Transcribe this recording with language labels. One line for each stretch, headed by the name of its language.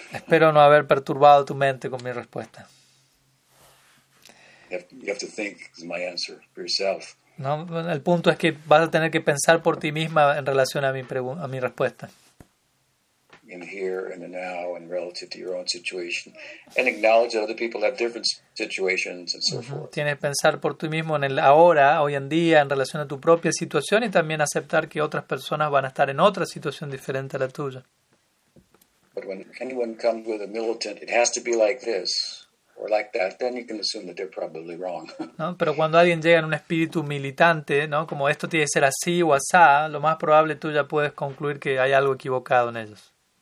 Spanish: Espero no haber perturbado tu mente con mi respuesta.
English: You have to think is my answer for yourself.
Spanish: No, el punto es que vas a tener que pensar por ti misma en relación a mi respuesta.
English: In here and the now and relative to your own situation, and acknowledge that other people have different situations and so forth.
Spanish: Tienes que pensar por ti mismo en el ahora, hoy en día, en relación a tu propia situación, y también aceptar que otras personas van a estar en otra situación diferente a la tuya.
English: But when anyone comes with a militant, it has to be like this or like that, then you can assume that they're probably wrong.
Spanish: No, pero cuando alguien llega en un espíritu militante, ¿no? Como esto tiene que ser así o asá, lo más probable tú ya puedes concluir que hay algo equivocado en ellos.